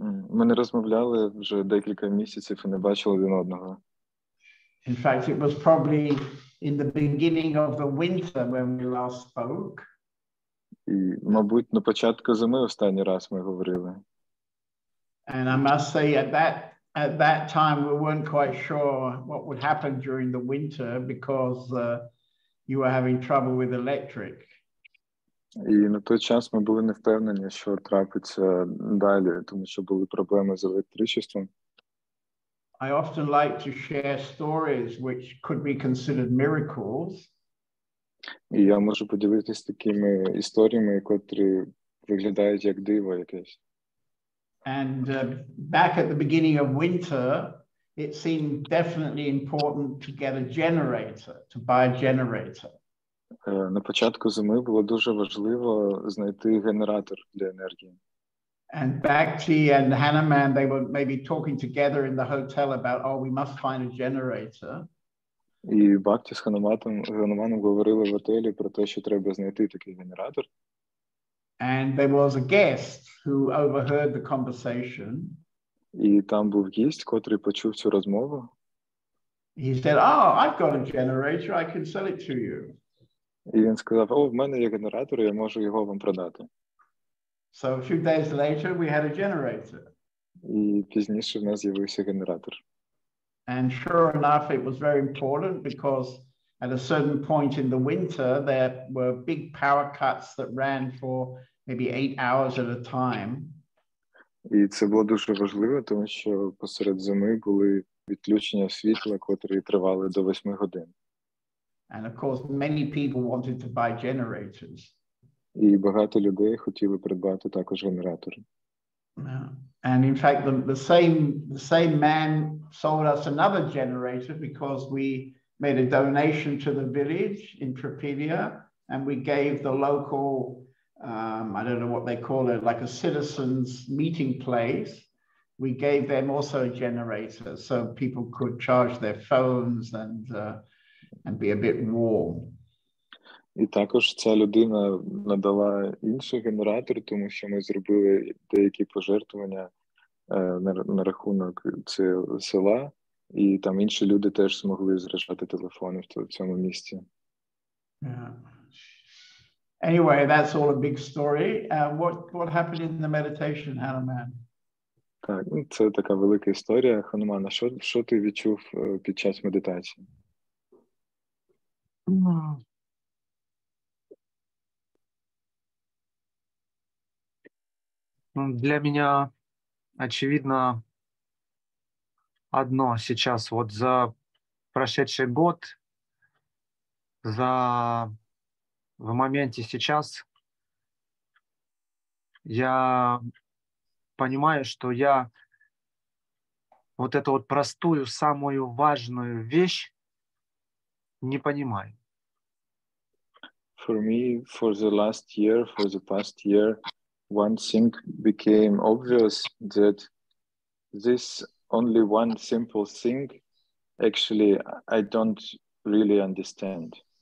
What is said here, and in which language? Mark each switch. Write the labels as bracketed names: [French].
[Ukrainian] Ми не розмовляли вже декілька місяців і не бачили один одного. [English] In fact, it was probably in the beginning of the winter when we last spoke. [Ukrainian] І, мабуть, на початку зими останній раз ми говорили. [English] And I must say at that time we weren't quite sure what would happen during the winter because you were having trouble with electric. [Ukrainian] І на той час ми були не впевнені, що трапиться далі, тому що були проблеми з електричеством. [English] I often like to share stories which could be considered miracles. [Ukrainian] І я можу поділитися такими історіями, які виглядають як диво якесь. [English] And back at the beginning of winter, it seemed definitely important to get a generator, to buy a generator. [Ukrainian] На початку зими було дуже важливо знайти генератор для енергії. [English] And Bhakti and Hanuman, they were maybe talking together in the hotel about, oh, we must find a generator. [Ukrainian] І Бхакті з Хануманом говорили в готелі про те, що треба знайти такий генератор. [English] And there was a guest who overheard the conversation. [Ukrainian] І там був гість, котрий почув цю розмову. [English] He said, oh, I've got a generator, I can sell it to you. [Ukrainian] І він сказав, о, в мене є генератор, я можу його вам продати. [English] So a few days later, we had a generator. [Ukrainian] І пізніше в нас з'явився генератор. [English] And sure enough, it was very important because at a certain point in the winter, there were big power cuts that ran for maybe 8 hours at a time. [Ukrainian] І це було дуже важливо, тому що посеред зими були відключення світла, котрі тривали до 8 годин. [English] And of course, many people wanted to buy generators. [Ukrainian] І багато людей хотіли придбати також генератори. [English] And in fact, the same man sold us another generator because we made a donation to the village in Tropilia, and we gave the local, I don't know what they call it, like a citizen's meeting place. We gave them also a generator so people could charge their phones and be a bit warm. [Ukrainian] І також ця людина надала інший генератор, тому що ми зробили деякі пожертвування на рахунок цього села, і там інші люди теж змогли заряджати телефони в цьому місці. [English] Yeah. Anyway, that's all a big story. What happened in the meditation, Hanuman? [Ukrainian] Так, це така велика історія. Хануман, а що ти відчув під час медитації? [Russian] Для меня очевидно одно сейчас, вот за прошедший год, в моменте сейчас, я понимаю, что я вот эту вот простую, самую важную вещь не понимаю. [English] For me, for the last year, for the past year, one thing became obvious, that this only one simple thing, actually, I don't really understand.